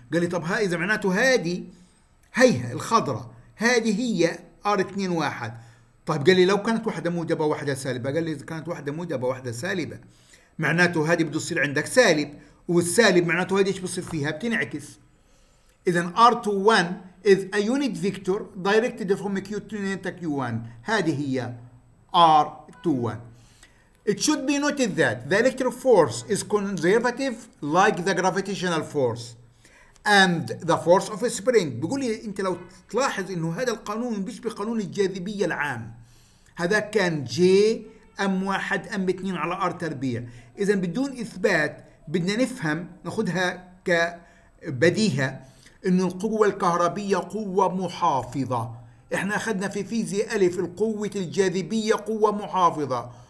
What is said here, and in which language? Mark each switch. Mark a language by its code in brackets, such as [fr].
[ar] قال لي طب ها إذا معناته هذه هيها الخضرة، هذه هي R2 1. طيب قال لي لو كانت واحدة موجبة واحدة سالبة، قال لي إذا كانت واحدة موجبة واحدة سالبة معناته هذه بده يصير عندك سالب، والسالب معناته هذه إيش بصير فيها؟ بتنعكس. [en] إذا R2 1 is a unit vector directed from Q2 to Q1، [ar] هذه هي [en] R2 1. It should be noted that the electric force is conservative like the gravitational force and the force of a spring. [ar] بيقول لي انت لو تلاحظ انه هذا القانون مش بقانون الجاذبية العام، هذا كان جي ام واحد ام اثنين على ار تربيع. اذا بدون اثبات بدنا نفهم، ناخدها كبديهة، انه القوة الكهربية قوة محافظة. احنا اخذنا في فيزياء الف القوة الجاذبية قوة محافظة،